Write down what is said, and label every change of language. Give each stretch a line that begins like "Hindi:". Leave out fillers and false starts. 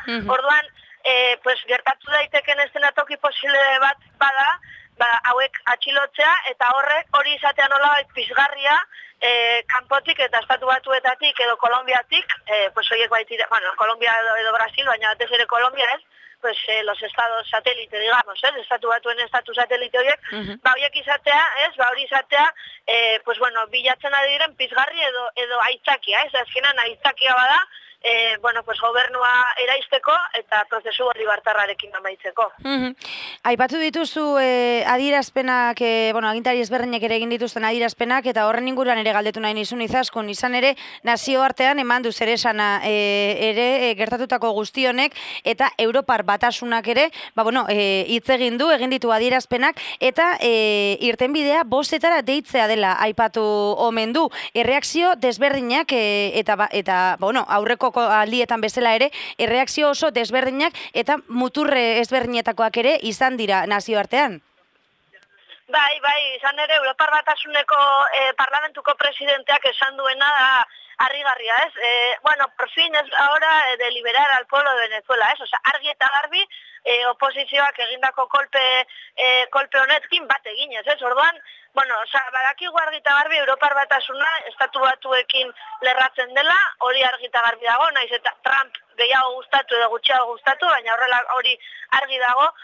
Basque: Orduan, pues gertatu daiteken eszenatoki posible bat bada, ba hauek atxilotzea eta horrek hori izatea nolabait pizgarria, kanpotik eta estatu batuetatik edo Kolombiatik, pues hoiek baitira, bueno, Kolombia edo Brasil, baina batez ere Kolombia, ez?
Spanish: Pues los estados satélite, digamos, ¿eh?
Basque: Estatu batuen estatu satélite horiek, ba horiek izatea, ez? Ba hori izatea, pues bueno, bilatzen ari diren pizgarri edo aitzakia, ez? Azkenan aitzakia bada. Bueno, pues gobernua eraisteko eta prozesu hori bartarrarekin amaitzeko. Aipatu dituzu adierazpenak, bueno, agintari ezberdinek ere egin dituzten adierazpenak eta horren inguruan ere galdetu nahi nizun Izaskun, izan ere nazioartean eman du zeresana gertatutako guzti honek eta Europar Batasunak ere, ba bueno, hitz egin ditu adierazpenak eta irtenbidea bozetara deitzea dela aipatu omen du. Erreakzio desberdinak eta bueno, aurreko aldietan bezala ere, erreakzio oso desberdinak eta muturre ezberdinetakoak ere izan dira nazioartean. Bai, bai, izan ere, Europar Batasuneko parlamentuko presidenteak esan duena da harrigarria, ez?
Spanish: Bueno, por fin es ahora de liberar al pueblo de Venezuela, ez?
Basque: Osa, argi eta garbi, oposizioak egindako kolpe honetkin bat eginez, ez? Orduan, bueno, osa, badakigu argi eta garbi Europar Batasuna estatu batuekin lerratzen dela, hori argi eta garbi dago, naiz eta Trump gehiago gustatu edo gutxiago gustatu, baina horrela hori argi dago.